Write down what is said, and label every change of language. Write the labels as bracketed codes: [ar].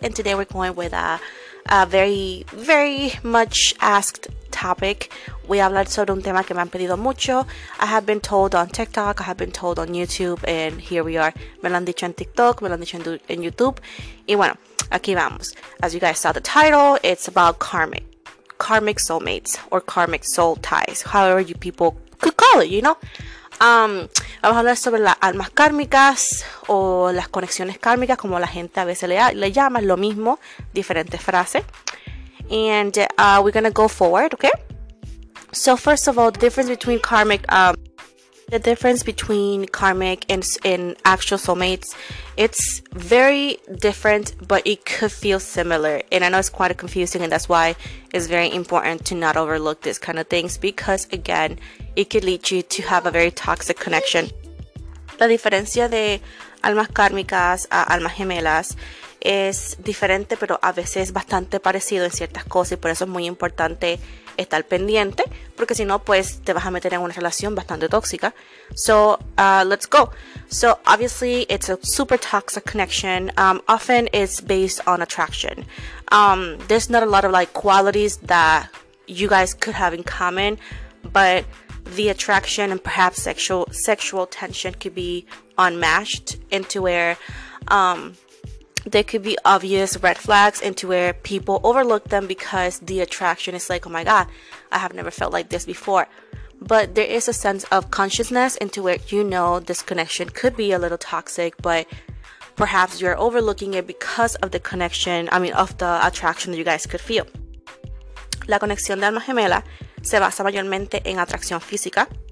[en] And today we're going with a very, very much asked topic. We have [es] hablar sobre un tema que me han pedido mucho. [en] I have been told on TikTok, I have been told on YouTube, and here we are. [es] Me lo han dicho en TikTok, me lo han dicho en YouTube. Y bueno, aquí vamos. [en] As you guys saw the title, it's about karmic soulmates, or karmic soul ties, however you people could call it, you know? [es] Vamos a hablar sobre las almas kármicas o las conexiones kármicas, como la gente a veces le llama, lo mismo, diferentes frases. [en] And we're gonna go forward, okay? So first of all, the difference between karmic and actual soulmates, it's very different, but it could feel similar. And I know it's quite confusing, and that's why it's very important to not overlook this kind of things, because again, it could lead you to have a very toxic connection. [es] La diferencia de almas kármicas a almas gemelas es diferente, pero a veces bastante parecido en ciertas cosas, y por eso es muy importante estar pendiente, porque si no, pues te vas a meter en una relación bastante tóxica. [en] So, let's go. So, obviously, it's a super toxic connection. Often, it's based on attraction. There's not a lot of, like, qualities that you guys could have in common, but the attraction and perhaps sexual tension could be unmatched, into where there could be obvious red flags, into where people overlook them because the attraction is like, oh my god, I have never felt like this before. But there is a sense of consciousness, into where you know this connection could be a little toxic, but perhaps you're overlooking it because of the connection, I mean, of the attraction that you guys could feel. [es] La conexión de alma gemela se basa mayormente en atracción física.